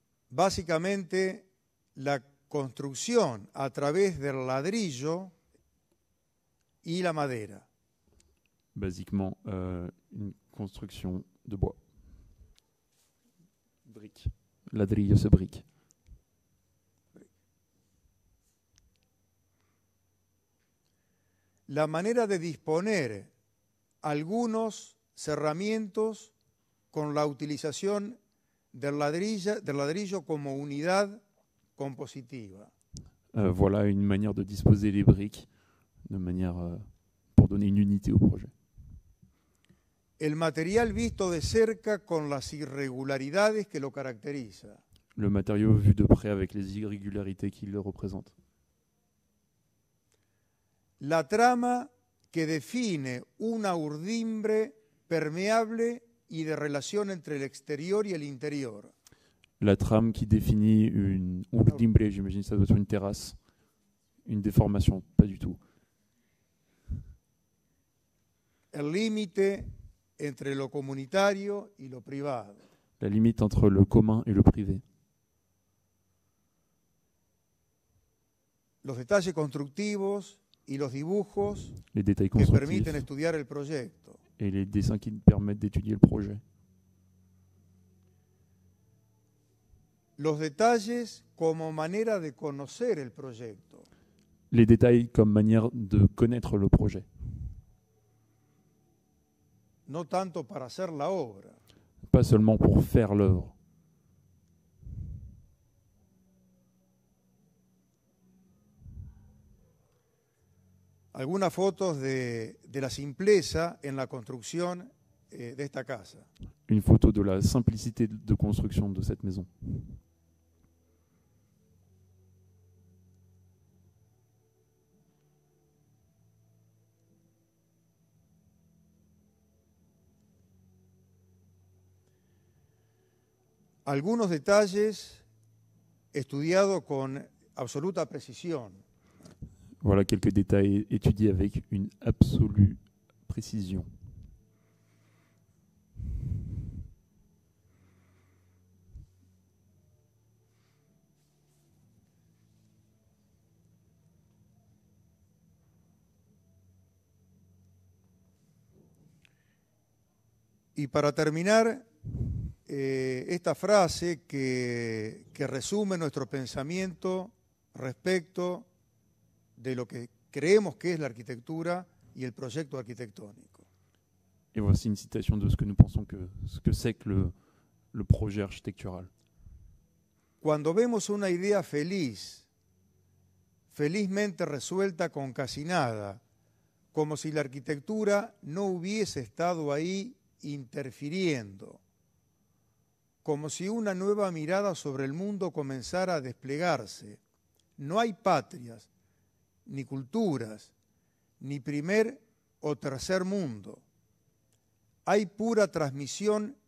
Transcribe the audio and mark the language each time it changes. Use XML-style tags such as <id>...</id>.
<es>Básicamente, la construcción a través del ladrillo y la madera.</es> <fr>Basiquement, une construction de bois. Brique.</fr> <es>Ladrillo,</es> <fr>c'est brique.</fr> <es>La manera de disponer algunos cerramientos con la utilización del ladrillo como unidad compositiva.</es> <fr>Voilà une manière de disposer les briques de manière pour donner une unité au projet.</fr> <es>El material visto de cerca con las irregularidades que lo caracteriza.</es> <fr>Le matériau vu de près avec les irrégularités qui le représentent.</fr> <es>La trama que define una urdimbre permeable y de relación entre el exterior y el interior.</es> <fr>La trame qui définit une urdimbre, j'imagine ça doit être une terrasse, une déformation, pas du tout.</fr> <es>El límite entre lo comunitario y lo privado.</es> <fr>La limite entre le commun et le privé.</fr> <es>Los detalles constructivos y los dibujos</es> <fr>les détails constructifs</fr> <es>que permiten estudiar el proyecto.</es> <fr>Et les dessins qui permettent d'étudier le projet.</fr> <es>Los detalles como manera de conocer el proyecto.</es> <fr>Les détails comme manière de connaître le projet.</fr> <es>No tanto para hacer la obra.</es> <fr>Pas seulement pour faire l'œuvre.</fr> <es>Algunas fotos de la simpleza en la construcción de esta casa.</es> <fr>Une photo de la simplicité de construction de cette maison.</fr> <es>Algunos detalles estudiados con absoluta precisión.</es> <fr>Voilà quelques détails étudiés avec une absolue précision.</fr> <es>Y para terminar esta frase que resume nuestro pensamiento respecto de lo que creemos que es la arquitectura y el proyecto arquitectónico.</es> <fr>Et voici une citation de ce que nous pensons que ce que c'est que le projet architectural.</fr> <es>Cuando vemos una idea feliz, felizmente resuelta con casi nada, como si la arquitectura no hubiese estado ahí interfiriendo, como si una nueva mirada sobre el mundo comenzara a desplegarse, no hay patrias, ni culturas, ni primer o tercer mundo. Hay pura transmisión</es>